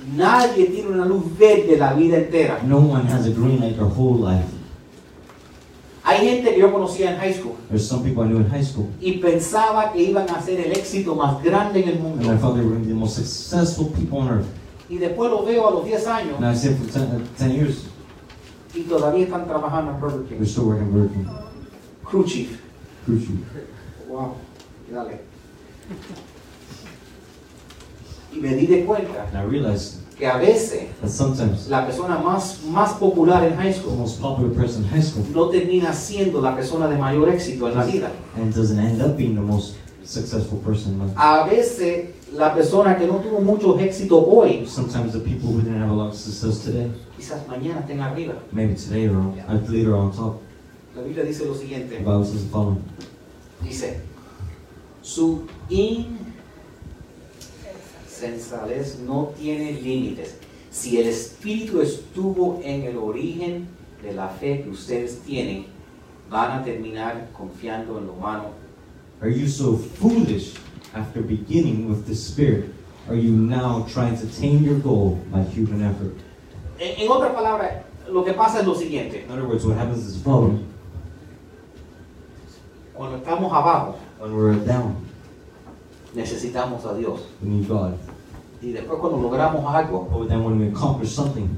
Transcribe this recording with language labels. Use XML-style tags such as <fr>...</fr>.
<es>Nadie tiene una luz verde la vida entera.</es> <en>No one has a green light their whole life.</en> <es>Hay gente que yo conocía en high school.</es> <en>There's some people I knew in high school.</en> <es>Y pensaba que iban a ser el éxito más grande en el mundo.</es> <en>And I thought they were going to be the most successful people on earth.</en> <es>Y después lo veo a los 10 años.</es> <en>Now I see them for 10 years.</en> <es>Y todavía están trabajando en Burger King.</es> <en>They're still working in Burger King. Crew chief. Crew chief.</en> <es>Wow. Dale. Y me di de cuenta,</es> <en>and I realized,</en> <es>que a veces,</es> <en>that sometimes,</en> <es>la persona más popular en high school,</es> <en>the most popular person in high school,</en> <es>no termina siendo la persona de mayor éxito en la vida.</es> <en>And doesn't end up being the most successful person in life.</en> <es>A veces, la persona que no tuvo mucho éxito hoy,</es> <en>sometimes the people who didn't have a lot of success today,</en> <es>quizás mañana estén arriba.</es> <en>Maybe today or yeah, later on top.</en> <es>La Biblia dice lo siguiente.</es> <en>The Bible says the following.</en> <es>Dice, su sensatez no tiene límites. Si el espíritu estuvo en el origen de la fe que ustedes tienen, van a terminar confiando en lo humano.</es> <en>Are you so foolish after beginning with the spirit? Are you now trying to attain your goal by human effort?</en> <es>En otras palabras, lo que pasa es lo siguiente.</es> <en>In other words, what happens is following.</en> <es>Cuando estamos abajo,</es> <en>when we're down,</en> <es>necesitamos a Dios.</es> <en>We need God.</en> <es>Y después cuando logramos algo,</es> <en>but then when we accomplish something,</en>